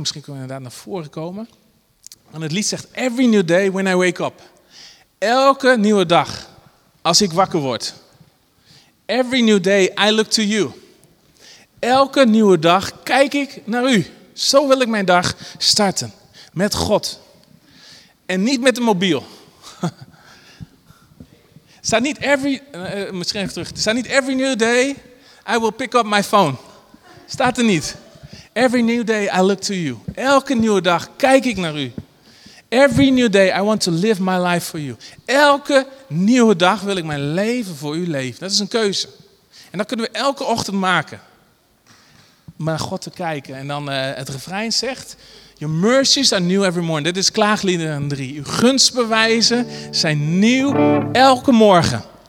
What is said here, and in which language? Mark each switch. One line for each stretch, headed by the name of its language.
Dutch: Misschien kunnen we inderdaad naar voren komen. En het lied zegt
English: Every New Day When I Wake Up.
Dutch: Elke nieuwe dag als ik wakker word.
English: Every new day I look to you.
Dutch: Elke nieuwe dag kijk ik naar u. Zo wil ik mijn dag starten. Met God. En niet met de mobiel. Staat niet every... misschien even terug. Staat niet
English: every new day I will pick up my phone.
Dutch: Staat er niet.
English: Every new day I look to you.
Dutch: Elke nieuwe dag kijk ik naar u.
English: Every new day I want to live my life for you.
Dutch: Elke nieuwe dag wil ik mijn leven voor u leven. Dat is een keuze. En dat kunnen we elke ochtend maken. Om naar God te kijken. En dan het refrein zegt...
English: Your mercies are new every morning.
Dutch: Dit is Klaagliederen 3. Uw gunstbewijzen zijn nieuw elke morgen.